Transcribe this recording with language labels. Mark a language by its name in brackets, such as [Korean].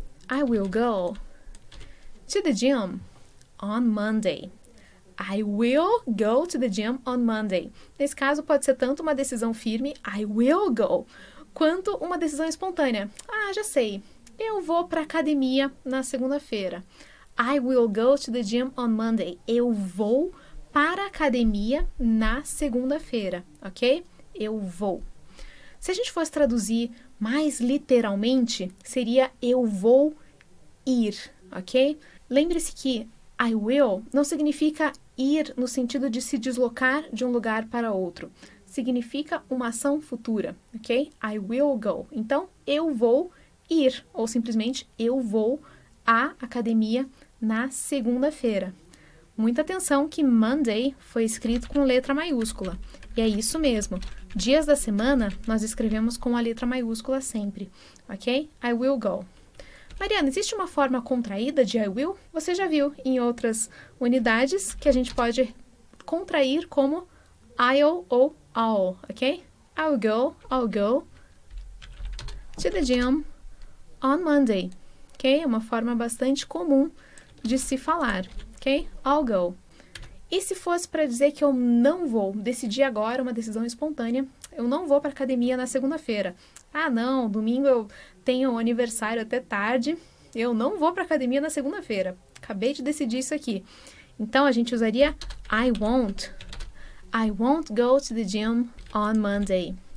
[English] I will go to the gym on Monday. I will go to the gym on Monday. [Portuguese] Nesse caso, pode ser tanto uma decisão firme, [English] I will go, [Portuguese] quanto uma decisão espontânea. Ah, já sei. Eu vou para a academia na segunda-feira. [English] I will go to the gym on Monday. [Portuguese] Eu vou para a academia na segunda-feira, ok? Eu vou. Se a gente fosse traduzir mais literalmente, seria eu vou ir, ok? Lembre-se que I will não significa ir no sentido de se deslocar de um lugar para outro. Significa uma ação futura, ok? [English] I will go. [Portuguese] Então, eu vou ir, ou simplesmente eu vou à academia na segunda-feira. Muita atenção que Monday foi escrito com letra maiúscula. E é isso mesmo. Dias da semana, nós escrevemos com a letra maiúscula sempre, ok? [English] I will go. [Portuguese] Mariana, existe uma forma contraída de I will? Você já viu em outras unidades que a gente pode contrair como I'll ou all, ok? [English] I'll go to the gym on Monday, ok? [Portuguese] É uma forma bastante comum de se falar, ok? [English] I'll go. [Portuguese] E se fosse para dizer que eu não vou, decidi agora, uma decisão espontânea, eu não vou para a academia na segunda-feira. Ah, não, domingo eu tenho um aniversário até tarde, eu não vou para a academia na segunda-feira. Acabei de decidir isso aqui. Então, a gente usaria [English] I won't go to the gym on Monday.